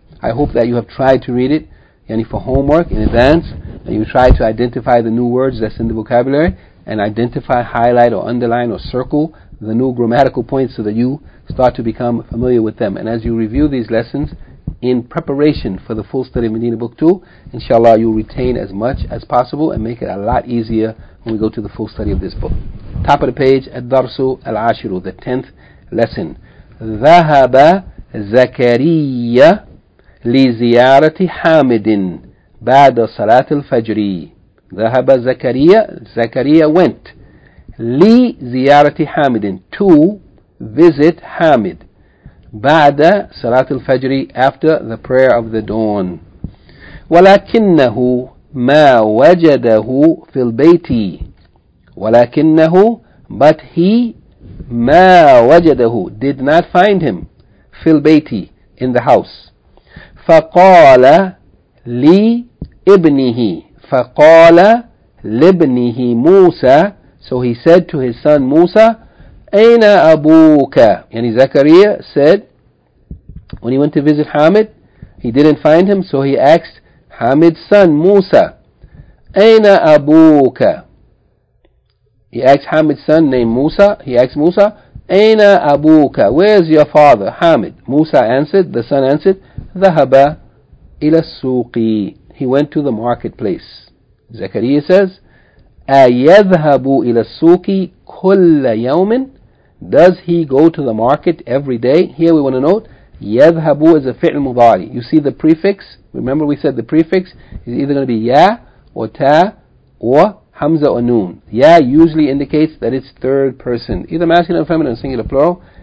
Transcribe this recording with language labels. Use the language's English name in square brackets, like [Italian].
[English] I hope that you have tried to read it, yani for homework in advance, and you try to identify the new words that's in the vocabulary and identify, highlight, or underline, or circle the new grammatical points so that you start to become familiar with them. And as you review these lessons in preparation for the full study of Medina Book 2, inshallah you'll retain as much as possible and make it a lot easier when we go to the full study of this book. Top of the page, [Arabic] الدرس العاشر, [English] the 10th lesson. [Arabic] ذهب زكريا لزيارة حامد بعد صلاة الفجر. ذهب زكريا, [English] Zakaria went. [Arabic] Li ziyarati Hamidin, [English] to visit Hamid. [Arabic] Ba'da salat al-fajri, [English] after the prayer of the dawn. [Arabic] Walakinnahu ma wajadahu fil bayti. Walakinnahu, [English] but he [Arabic] ma wajadahu, [English] did not find him, [Arabic] fil bayti, [English] in the house. [Arabic] Faqala li ibnihi. Faqala libnihi Musa. [English] So he said to his son Musa, [Arabic] Aina abuka? [English] And Zakaria said, when he went to visit Hamid, he didn't find him, so he asked Hamid's son Musa, [Arabic] Aina abuka? [English] He asked Hamid's son named Musa, he asked Musa, [Arabic] Aina abuka? [English] Where's your father, Hamid? Musa answered, the son answered, [Arabic] Dhahaba ila suqi. [English] He went to the marketplace. Zakaria says, [Arabic] أَيَذْهَبُ إِلَى السُّوكِ كُلَّ يَوْمٍ. [English] Does he go to the market every day? Here we want to note, يَذْهَبُ is a fi'l mudari. You see the prefix? Remember we said the prefix is either going to be ya or ta or hamza or noon. Ya usually indicates that it's third person, either masculine or feminine, singular, plural.